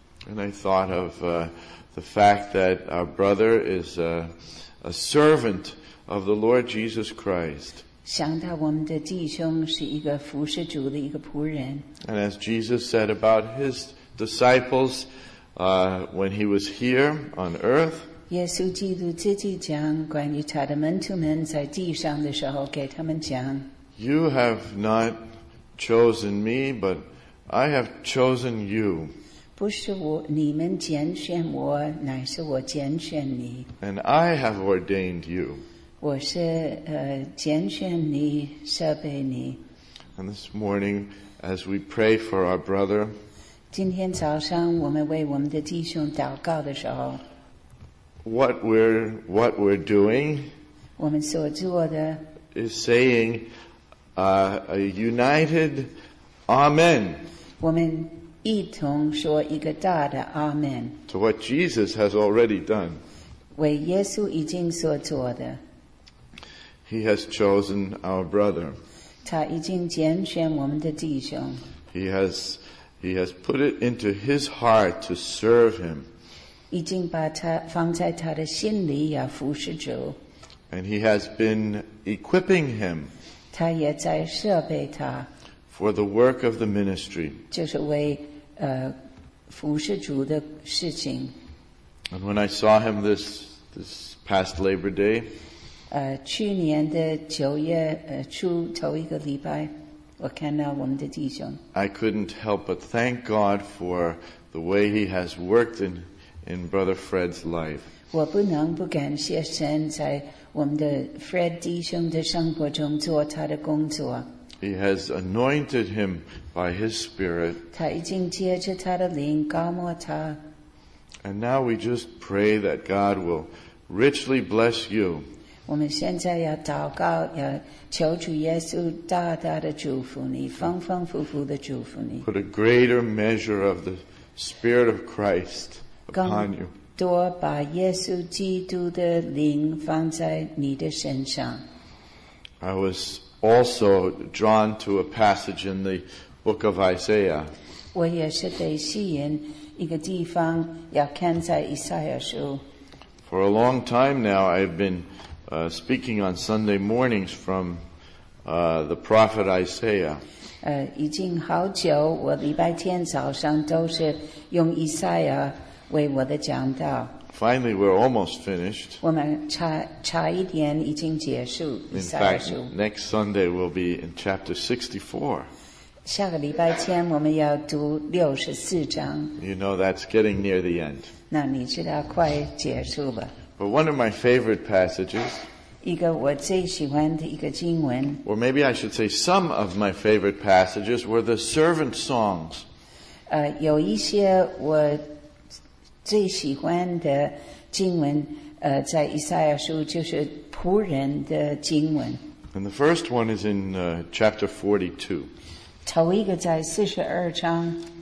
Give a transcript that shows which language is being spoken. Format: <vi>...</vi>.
<en>And I thought of the fact that our brother is a servant of the Lord Jesus Christ.</en> <zh>想到我们的弟兄是一个服侍主的一个仆人。</zh> <en>And as Jesus said about his disciples, when he was here on earth,</en> <zh>耶稣基督自己讲关于他的门徒们在地上的时候给他们讲</zh> <en>You have not chosen me, but I have chosen you.</en> <zh>不是我你们拣选我乃是我拣选你</zh> <en>And I have ordained you.</en> <zh>我是拣选你设备你</zh> <en>And this morning, as we pray for our brother,</en> <zh>今天早上我们为我们的弟兄祷告的时候</zh> <en>what we're doing</en> <zh>我们所做的</zh> <en>is saying a united Amen</en> <zh>我们一同说一个大的 Amen</zh> <en>to what Jesus has already done</en> <zh>为耶稣已经所做的</zh> <en>He has chosen our brother</en> <zh>他已经拣选我们的弟兄</zh> <en>He has put it into his heart to serve him. And he has been equipping him for the work of the ministry. And when I saw him this past Labor Day,</en> <zh>去年的九月初头一个礼拜我看到我们的弟兄</zh> <en>I couldn't help but thank God for the way he has worked in Brother Fred's life.</en> <zh>我不能不感谢神在我们的 Fred 弟兄的生活中做他的工作。</zh> <en>He has anointed him by his spirit.</en> <zh>他已经借着他的灵膏抹他。</zh> <en>And now we just pray that God will richly bless you.</en> <zh>我们现在要祷告要求主耶稣大大的祝福你丰丰富富的祝福你</zh> <en>Put a greater measure of the Spirit of Christ upon you</en> <zh>更多把耶稣基督的灵放在你的身上</zh> <en>I was also drawn to a passage in the book of Isaiah</en> <zh>我也是被吸引一个地方要看在以赛亚书</zh> <en>For a long time now I've beenspeaking on Sunday mornings from the prophet Isaiah.</en> <zh>已经好久，我礼拜天早上都是用以赛亚为我的讲道。</zh> <en>Finally, we're almost finished.</en> <zh>我们差一点已经结束以赛亚书。</zh> <en>In fact, next Sunday we'll be in chapter 64.</en> <zh>下个礼拜天我们要读64章。</zh> <en>You know that's getting near the end.</en> <zh>那你知道快结束了。</zh> <en>But one of my favorite passages,</en> <zh>一个我最喜欢的一个经文</zh> <en>or maybe I should say some of my favorite passages, were the servant songs.</en> <zh>有一些我最喜欢的经文在以赛亚书就是仆人的经文</zh> <en>And the first one is in chapter 42.</en> <zh>头一个在42章</zh>